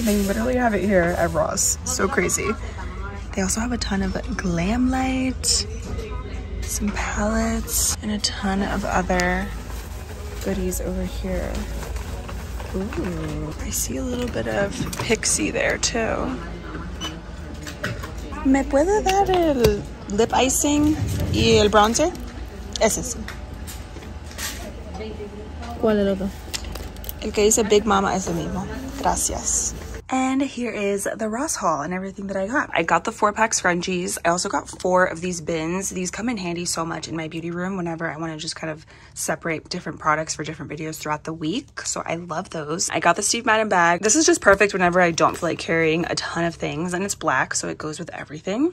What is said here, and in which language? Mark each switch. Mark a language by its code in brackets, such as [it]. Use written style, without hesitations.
[en] They literally have it here at Ross. So crazy. They also have a ton of Glam Light, some palettes, and a ton of other goodies over here. Ooh, I see a little bit of Pixie there too. [es] Me puede dar el lip icing y el bronzer? Ese sí. ¿Cuál el otro? El que dice Big Mama es el mismo. Gracias. [en] And here is the Ross haul and everything that I got. I got the 4-pack scrunchies. I also got 4 of these bins. These come in handy so much in my beauty room whenever I want to just kind of separate different products for different videos throughout the week. So I love those. I got the Steve Madden bag. This is just perfect whenever I don't feel like carrying a ton of things, and it's black, so it goes with everything.